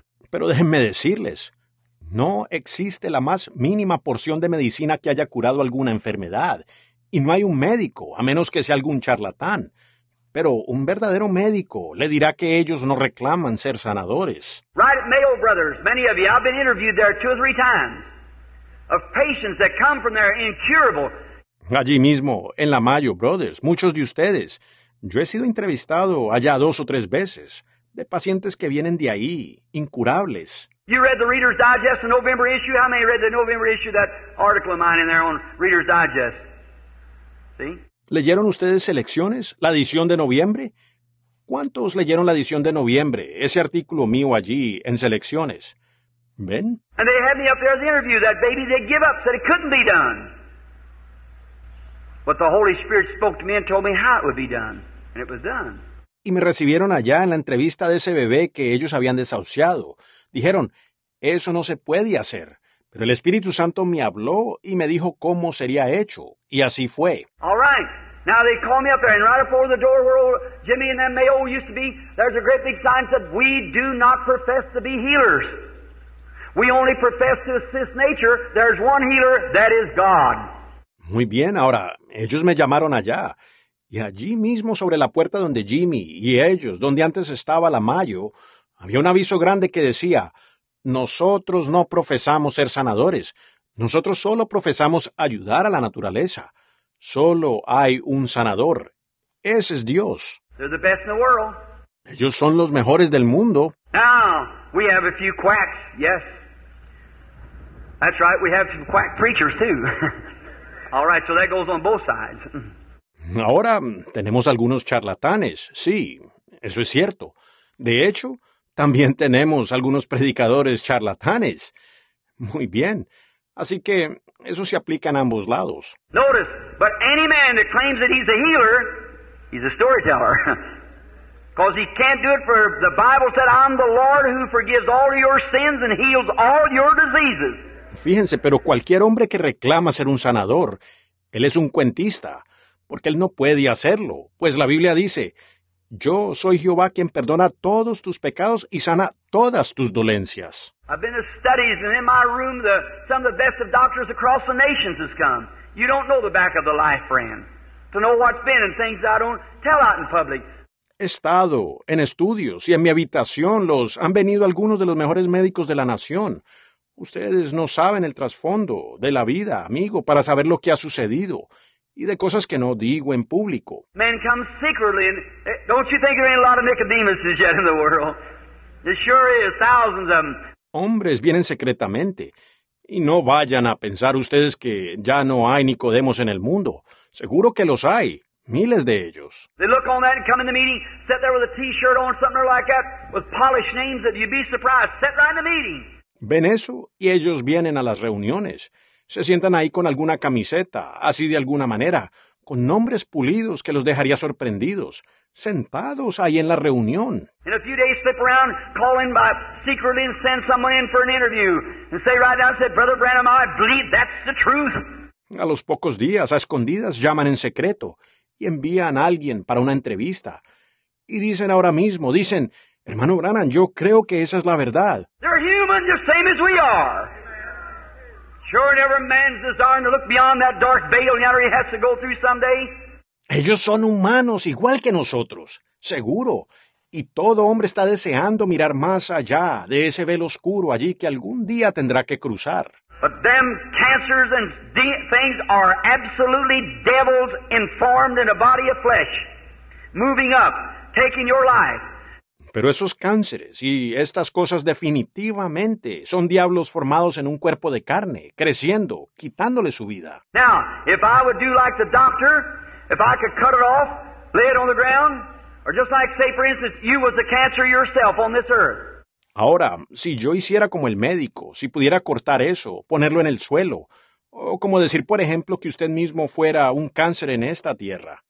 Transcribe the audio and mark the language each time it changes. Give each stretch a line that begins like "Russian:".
Spanish: Pero déjenme decirles, no existe la más mínima porción de medicina que haya curado alguna enfermedad. Y no hay un médico, a menos que sea algún charlatán. Pero un verdadero médico le dirá que ellos no reclaman ser sanadores.
English: Right at Mayo Brothers, many of you, I've been interviewed there two or three times, of patients that come from there incurable.
Spanish: Allí mismo, en la Mayo Brothers, muchos de ustedes, yo he sido entrevistado allá dos o tres veces, de pacientes que vienen de ahí, incurables.
English: You read the Reader's Digest, the November issue? How many read the November issue, that article of mine in there on Reader's Digest? See?
Spanish: ¿Leyeron ustedes Selecciones, la edición de noviembre? ¿Cuántos leyeron la edición de noviembre, ese artículo mío allí en Selecciones? ¿Ven?
English: And they had me up there at the interview, that baby they give up, said it couldn't be done. But the Holy Spirit spoke to me and told me how it would be done, and it was done.
Spanish: Y me recibieron allá en la entrevista de ese bebé que ellos habían desahuciado. Dijeron, eso no se puede hacer. Pero el Espíritu Santo me habló y me dijo cómo sería hecho. Y así fue.
English: All right. Now they call me up there, and right before the door where old Jimmy and them Mayo used to be, there's a great big sign that we do not profess to be healers. We only profess to assist nature. There's one healer, that is God.
Spanish: Muy bien, ahora, ellos me llamaron allá. Y allí mismo sobre la puerta donde Jimmy y ellos, donde antes estaba la Mayo, había un aviso grande que decía, nosotros no profesamos ser sanadores, nosotros solo profesamos ayudar a la naturaleza. Solo hay un sanador. Ese es Dios.
English: They're the best in the world.
Spanish: Ellos son los mejores del mundo.
English: Now, we have a few quacks, yes. That's right, we have some quack preachers too. All right, so that goes on both sides.
Spanish: Ahora, tenemos algunos charlatanes, sí, eso es cierto. De hecho, también tenemos algunos predicadores charlatanes. Muy bien. Así que, eso se aplica en ambos lados.
English: Notice, but any man that claims that he's a healer, he's a storyteller. Because he can't do it, for the Bible said, I'm the Lord who forgives all your sins and heals all your diseases.
Spanish: Fíjense, pero cualquier hombre que reclama ser un sanador, él es un cuentista, porque él no puede hacerlo. Pues la Biblia dice, yo soy Jehová quien perdona todos tus pecados y sana todas tus dolencias.
English: I've been to studies, and in my room, some of the best of doctors across the nations has come. You don't know the back of the life, friend, to know what's been and things I don't tell out in public.
Spanish: He estado en estudios y en mi habitación los han venido algunos de los mejores médicos de la nación. Ustedes no saben el trasfondo de la vida, amigo, para saber lo que ha sucedido y de cosas que no digo en público.
English: Men come secretly, and don't you think there ain't a lot of Nicodemuses yet in the world? There sure is, thousands of them.
Spanish: Hombres vienen secretamente y no vayan a pensar ustedes que ya no hay Nicodemos en el mundo. Seguro que los hay, miles de ellos.
English: They look on that and come in the meeting, sit there with a t-shirt on, something like that, with polished names, that you'd be surprised. Sit right in the meeting.
Spanish: Ven eso y ellos vienen a las reuniones. Se sientan ahí con alguna camiseta, así de alguna manera, con nombres pulidos que los dejaría sorprendidos, sentados ahí en la reunión.
English: In a few days, slip around, call in by secretly and send someone in for an interview. And say right now, say, Brother Branham, I believe that's the truth.
Spanish: A los pocos días, a escondidas, llaman en secreto y envían a alguien para una entrevista. Y dicen ahora mismo, dicen, hermano Branham, yo creo que esa es la verdad.
English: They're human, the same as we are. Sure, and every man's desiring to look beyond that dark veil he has to go through someday.
Spanish: Ellos son humanos igual que nosotros, seguro. Y todo hombre está deseando mirar más allá de ese velo oscuro allí que algún día tendrá que cruzar.
English: But them cancers and things are absolutely devils informed in a body of flesh, moving up, taking your life.
Spanish: Pero esos cánceres y estas cosas definitivamente son diablos formados en un cuerpo de carne, creciendo, quitándole su vida.
English: Now, if I would do like the doctor If I could cut it off, lay it on the ground, or just like, say, for instance, you was the cancer yourself on this earth.
Spanish: Ahora, si yo hiciera como el médico, si pudiera cortar eso, ponerlo en el suelo, o como decir, por ejemplo, que usted mismo fuera un cáncer en esta tierra.